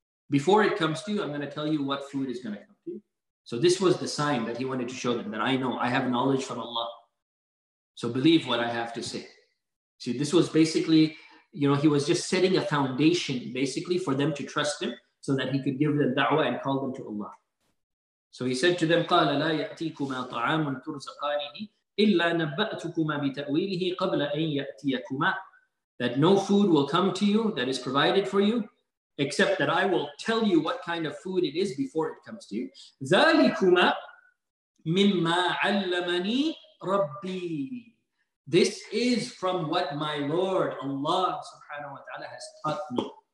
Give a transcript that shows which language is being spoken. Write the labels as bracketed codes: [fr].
[en] Before it comes to you, I'm going to tell you what food is going to come to you. So this was the sign that he wanted to show them, that I know, I have knowledge from Allah. So believe what I have to say. See, this was basically, you know, he was just setting a foundation basically for them to trust him so that he could give them da'wah and call them to Allah. So he said to them, [ar] قَالَ لَا يَأْتِيكُمَا طَعَامٌ تُرْزَقَانِهِ إِلَّا نَبَّأْتُكُمَا بِتَأْوِيلِهِ قَبْلَ أَنْ يَأْتِيَكُمَا. [en] That no food will come to you that is provided for you, except that I will tell you what kind of food it is before it comes to you. [ar] ذَلِكُمَا مِمَّا عَلَّمَنِي [en] Rabbi, this is from what my Lord, Allah subhanahu wa ta'ala has taught me.